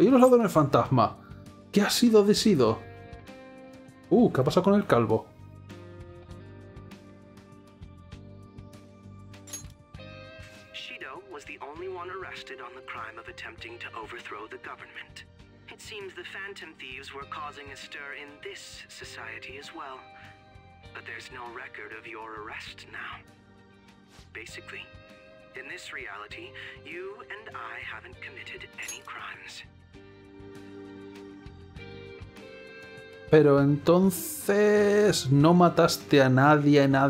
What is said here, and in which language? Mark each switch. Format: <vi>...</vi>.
<es>¿Y los ladrones fantasma? ¿Qué ha sido de Sido? ¿Qué ha pasado con el calvo?</es> <en>Shido was the only one arrested. the crime of attempting to overthrow the government. It seems the Phantom Thieves were causing a stir in this society as well. But there's no record of your arrest now. Basically, in this reality, you and I haven't committed any crimes.</en> <es>Pero entonces, ¿no mataste a nadie?</es>